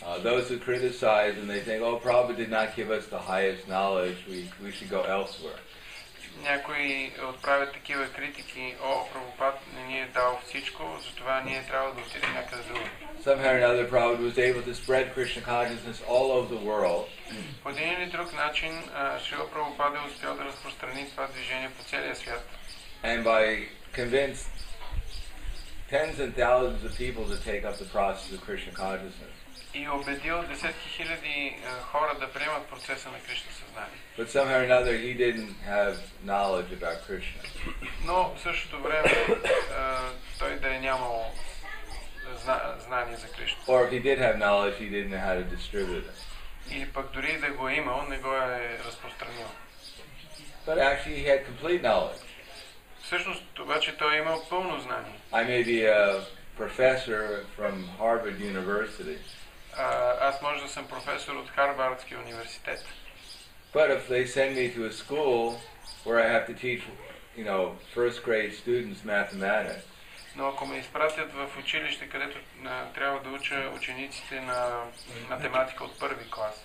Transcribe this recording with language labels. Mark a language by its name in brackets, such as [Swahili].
[English] Those who criticize and they think, oh, Prabhupada did not give us the highest knowledge, we should go elsewhere. [Bulgarian] Някои отправят такива критики, о, Прабхупад не ни е дал всичко, затова ние трябва да отидем някъде друго. [English] Somehow or another, Prabhupada was able to spread Krishna consciousness all over the world. [Bulgarian] По един или друг начин, Шрила Прабхупад е успял да разпространи това движение по целия свят. [English] And by convinced tens and thousands of people to take up the process of Krishna consciousness. [Bulgarian] И убедил десетки хиляди хора да приемат процеса на Кришна съзнание. [English] But somehow or another he didn't have knowledge about Krishna. [Bulgarian] Но в същото време той да е нямал знание за Кришна. [English] Or if he did have knowledge, he didn't know how to distribute it. [Bulgarian] Или пък дори да го имал, не го е разпространил. [English] But actually he had complete knowledge. [Bulgarian] Всъщност, обаче, той е имал пълно знание. [English] I may be a professor from Harvard University. [Bulgarian] Аз може да съм професор от Харвардския университет. [English] But if they send me to a school where I have to teach, you know, first grade students mathematics. [Bulgarian] Но ако ме изпратят в училище, където трябва да уча учениците на математика от първи клас.